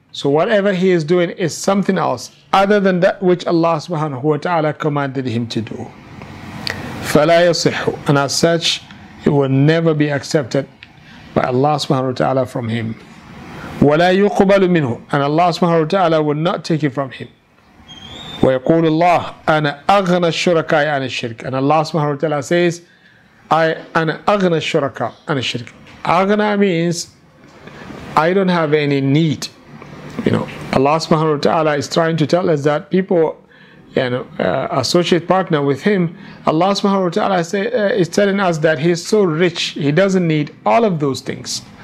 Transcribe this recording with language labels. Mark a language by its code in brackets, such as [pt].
[en] So whatever he is doing is something else other than that which Allah subhanahu wa ta'ala commanded him to do. [ar] فَلَا يَصِحُ. [en] And as such, it will never be accepted by Allah subhanahu wa ta'ala from him. [ar] وَلَا يُقُبَلُ مِنْهُ. [en] And Allah subhanahu wa ta'ala will not take it from him. [ar] وَيَقُولُ اللَّهُ أَنَا أَغْنَى الشُّرَكَاءِ عَنِ الشِّرْكِ. [en] And Allah subhanahu wa ta'ala says, I [ar] أَنَا أَغْنَى الشُّرَكَاءِ عَنِ الشِّرْكِ. [en] أَغْنَى means, I don't have any need. You know, Allah subhanahu wa ta'ala is trying to tell us that people, associate partner with him, Allah subhanahu wa ta'ala is telling us that he is so rich, he doesn't need all of those things.